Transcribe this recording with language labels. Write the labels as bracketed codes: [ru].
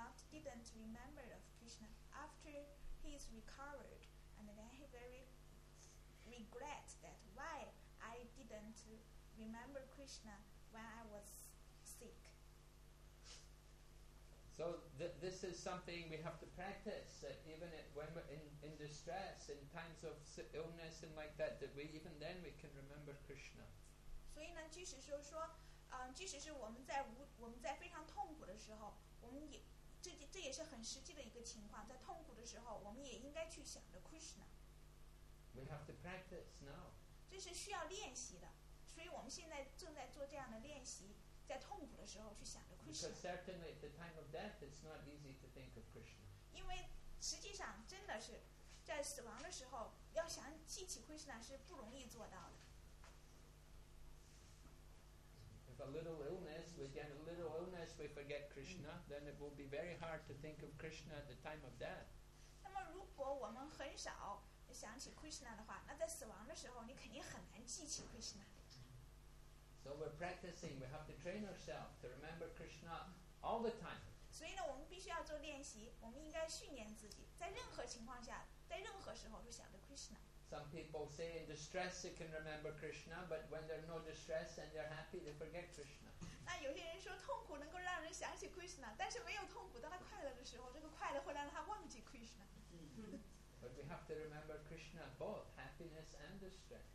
[en] Didn't remember of Krishna. After he is recovered, and then he very regret that why I didn't remember Krishna when I was sick. So this is something we have to practice, that even when we're in distress, in times of illness and like that, that we, even then we can remember Krishna. [zh] 所以呢，即使是说，即使是我们在非常痛苦的时候，我们也这也是很实际的一个情况，在痛苦的时候，我们也应该去想着 Krishna. [en] We have to practice now. [zh] 这是需要练习的，所以我们现在正在做这样的练习。在痛苦的时候去想着 Krishna. [en] Because certainly at the time of death, it's not easy to think of Krishna. [zh] 因为实际上真的是在死亡的时候要想记起 Krishna 是不容易做到的。 [en] If a little illness, we get a little illness, we forget Krishna, then it will be very hard to think of Krishna at the time of death. [zh] 那么如果我们很少想起 Krishna 的话，那在死亡的时候你肯定很难记起 Krishna。 [en] So we're practicing, we have to train ourselves to remember Krishna all the time. [zh] 所以呢，我们必须要做练习，我们应该训练自己，在任何情况下，在任何时候都想着 Krishna. [en] Some people say in distress they can remember Krishna, but when there's no distress and they're happy, they forget Krishna. [zh] 那有些人说痛苦能够让人想起 Krishna, 但是没有痛苦，当他快乐的时候，这个快乐会让他忘记 Krishna. [en] But we have to remember Krishna both happiness and distress.